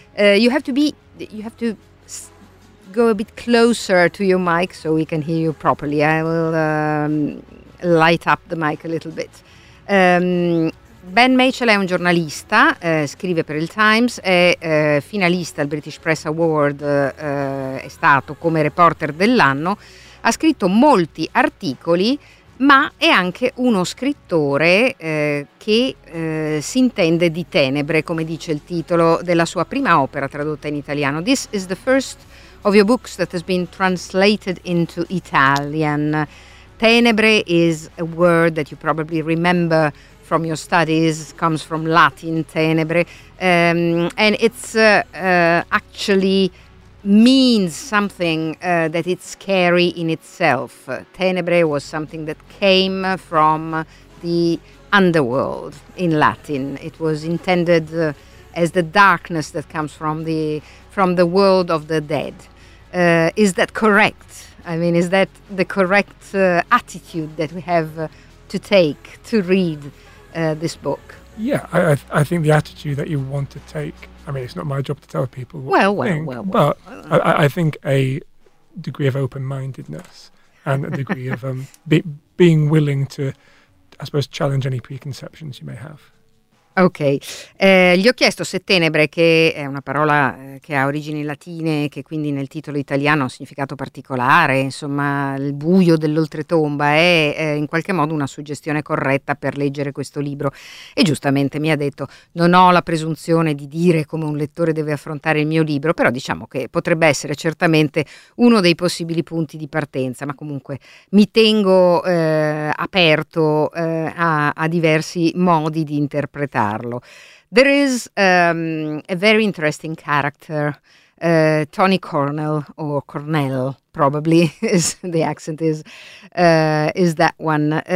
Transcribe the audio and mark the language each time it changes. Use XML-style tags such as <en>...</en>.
<en>You have to go a bit closer to your mic so we can hear you properly. I will light up the mic a little bit.</en> <it>Ben Machel è un giornalista, scrive per il Times, è finalista al British Press Award, è stato come reporter dell'anno, ha scritto molti articoli, ma è anche uno scrittore che si intende di tenebre, come dice il titolo della sua prima opera tradotta in italiano.</it> <en>This is the first of your books that has been translated into Italian. Tenebre is a word that you probably remember from your studies, comes from Latin, tenebre, and it's actually means something that it's scary in itself. Tenebre was something that came from the underworld in Latin. It was intended as the darkness that comes from the world of the dead. Is that correct? I mean, is that the correct attitude that we have to take to read this book? Yeah, I think the attitude that you want to take, I mean, it's not my job to tell people what but I think a degree of open-mindedness and a degree of being willing to, I suppose, challenge any preconceptions you may have.</en> <it>Ok, gli ho chiesto se tenebre, che è una parola che ha origini latine e che quindi nel titolo italiano ha un significato particolare, insomma il buio dell'oltretomba, è in qualche modo una suggestione corretta per leggere questo libro, e giustamente mi ha detto: non ho la presunzione di dire come un lettore deve affrontare il mio libro, però diciamo che potrebbe essere certamente uno dei possibili punti di partenza, ma comunque mi tengo aperto a diversi modi di interpretare.</it> <en>There is a very interesting character, Tony Cornell, or Cornell probably, is the accent is that one.</en>